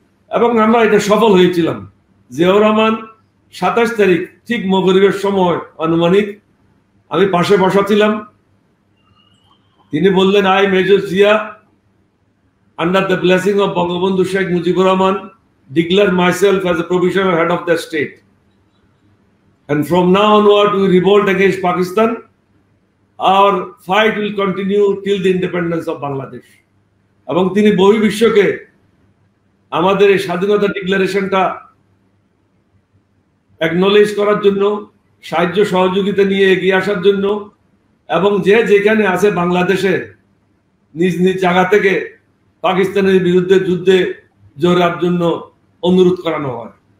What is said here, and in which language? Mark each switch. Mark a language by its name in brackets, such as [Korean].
[Bangla] এবং আমরা এটা সফল হয়েছিলাম, জিয়াউর রহমান 27 তারিখ ঠিক মগরিবের সময় আনুমানিক আমি পাশে বসা ছিলাম, তিনি বললেন [English] I major Zia under the blessing of Bangabandhu Sheikh Mujibur Rahman declare myself as a provisional head of the state. And from now onward, we revolt against Pakistan. Our fight will continue till the independence of Bangladesh. [Bangla] এবং তিনি বহির্বিশ্বকে আমাদের এই স্বাধীনতা ডিক্লারেশনটা acknowledge করার জন্য সাহায্য সহযোগিতা নিয়ে এগিয়ে আসার জন্য এবং যে যেখানে আছে বাংলাদেশে নিজ নিজ জায়গা থেকে পাকিস্তানের বিরুদ্ধে যুদ্ধে জোরার জন্য অনুরোধ করানো হয়।